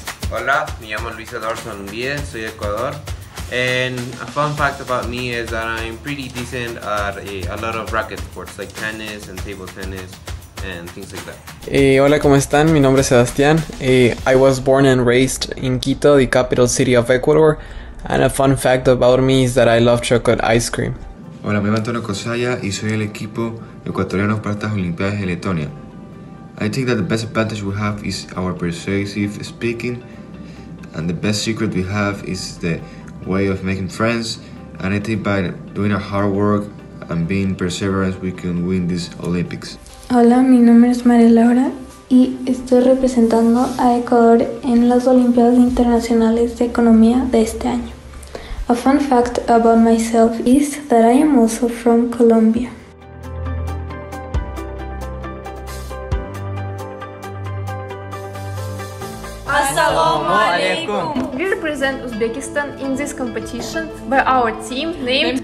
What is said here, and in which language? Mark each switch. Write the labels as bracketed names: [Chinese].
[Spanish] Hola, me llamo Luis Adolfo Núñez, soy Ecuador. [English] And a fun fact about me is that I'm pretty decent at a lot of racket sports like tennis and table tennis and things like that. [Spanish] Hola, ¿cómo están? Mi nombre es Sebastián. [English] I was born and raised in Quito, the capital city of Ecuador. And a fun fact about me is that I love chocolate ice cream. [Spanish] Hola, me llamo Antonio Cosaya y soy el equipo ecuatoriano para estas Olimpiadas de Letonia. [English] I think that the best advantage we have is our persuasive speaking, and the best secret we have is the way of making friends, and I think by doing our hard work and being perseverant we can win these Olympics. [Spanish] Hola, mi nombre es María Laura y estoy representando a Ecuador en las Olimpiadas Internacionales de Economía de este año. [English] A fun fact about myself is that I am also from Colombia. [Arabic] Assalamualaikum. [English] We represent Uzbekistan in this competition by our team named